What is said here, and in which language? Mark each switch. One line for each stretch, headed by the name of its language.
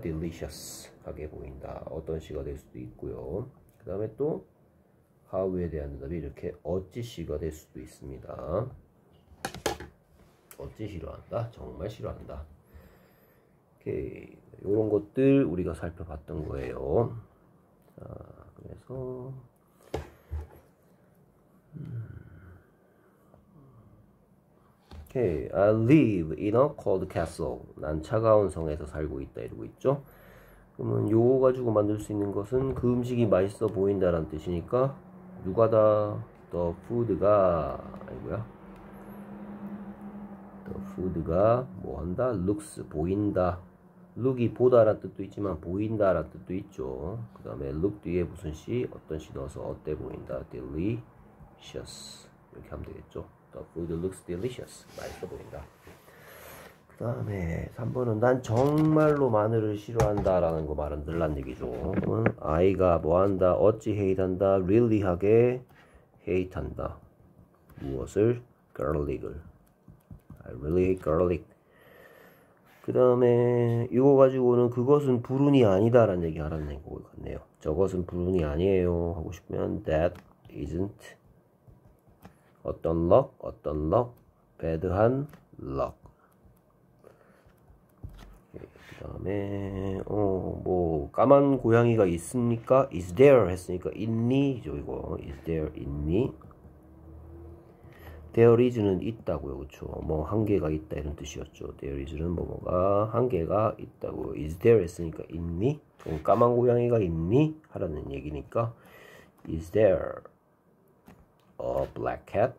Korean: delicious하게 보인다. 어떤 시가 될 수도 있고요. 그 다음에 또 how에 대한 대답이 이렇게 어찌 시가 될 수도 있습니다. 어찌 싫어한다? 정말 싫어한다. 오케이. 요런 것들 우리가 살펴봤던 거예요. 자, 그래서
English: Okay, I live in a cold castle.
Korean: 난 차가운 성에서 살고 있다 이러고 있죠. 그러면 요거 가지고 만들 수 있는 것은 그 음식이 맛있어 보인다라는 뜻이니까 누가다? The food가 아니고요. The food가 뭐 한다? Looks 보인다. Look이 보다라는 뜻도 있지만 보인다라는 뜻도 있죠. 그 다음에 look 뒤에 무슨 시? 어떤 시 넣어서 어때 보인다? Delicious 이렇게 하면 되겠죠.
English: The food looks delicious.
Korean: 맛있어 보인다. 그 다음에 3번은 난 정말로 마늘을 싫어한다라는 거 말은 늘란 얘기죠. 아이가 뭐 한다? 어찌 hate한다? Really 하게 hate한다. 무엇을?
English: Garlic을. I really hate garlic.
Korean: 그 다음에 이거 가지고는 그것은 불운이 아니다라는 얘기 하라는 거 같네요. 저것은 불운이 아니에요. 하고 싶으면
English: that isn't
Korean: 어떤 luck, 어떤 luck, bad한 luck. 그 다음에 뭐 까만 고양이가 있습니까?
English: Is there
Korean: 했으니까 있니죠 이거.
English: Is there
Korean: 있니?
English: There is
Korean: 는 있다고요, 그렇죠? 뭐 한계가 있다 이런 뜻이었죠.
English: There is
Korean: 는 뭐뭐가 한계가 있다고.
English: Is there
Korean: 했으니까 있니? 그럼 까만 고양이가 있니? 하라는 얘기니까
English: Is there a black cat?